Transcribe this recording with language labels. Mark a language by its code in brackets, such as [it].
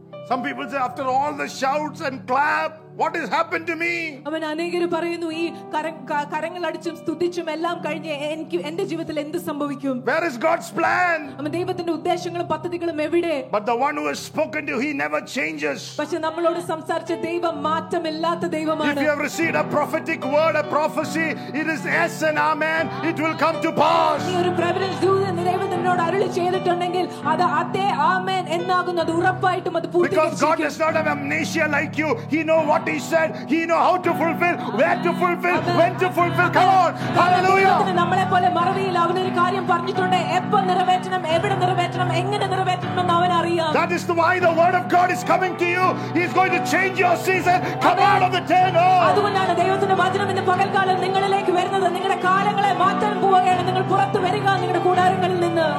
[en] Some people say, after all the shouts and clap, what has happened to me? [ml] അവൻ അനേകരും പറയുന്നു, ഈ കരങ്ങളടിച്ചും സ്തുതിച്ചും എല്ലാം കഴിഞ്ഞ് എനിക്ക് എന്റെ ജീവിതത്തിൽ എന്ത് സംഭവിക്കും? [en] Where is God's plan? [ml] അവൻ ദൈവത്തിന്റെ ഉദ്ദേശങ്ങളും പദ്ധതികളും എവിടെ? [en] But the one who has spoken to, he never changes. [ml] പക്ഷേ നമ്മളോട് സംസാരിച്ച ദൈവം മാറ്റമില്ലാത്ത ദൈവമാണ്. [en] If you have received a prophetic word, a prophecy, it is yes and amen. It will come to pass. [ml] നീ ഒരു പ്രവചനം ദൈവം നിന്നോട് അരുളി ചെയ്തിട്ടുണ്ടെങ്കിൽ അത് അതെ ആമേൻ എന്നാകുന്നു, അത് ഉറപ്പായിട്ടും അത് പൂർത്തീകരിക്കും. [en] Because God does not have amnesia like you. He knows what he said, he know how to fulfill, where to fulfill, when to fulfill. Come on. Hallelujah. [ml] നമ്മളെ പോലെ മറവിയിൽ അവൻ ഒരു കാര്യം പറഞ്ഞിട്ടുണ്ട്, എപ്പോൾ നിറവേറ്റണം, എവിടെ നിറവേറ്റണം, എങ്ങനെ നിറവേറ്റണം എന്ന് അവൻ അറിയാം. [en] That is why the word of God is coming to you. He is going to change your season. Come out of the tent. [ml] അതുകൊണ്ടാണ് ദൈവത്തിന്റെ വചനം ഇന്ന് പകൽക്കാലം നിങ്ങളിലേക്ക് വരുന്നത്. നിങ്ങളുടെ കാലങ്ങളെ മാറ്റാൻ പോവുകയാണ്. നിങ്ങൾ പുറത്തു വരിക നിങ്ങളുടെ കൂടാരങ്ങളിൽ നിന്ന്.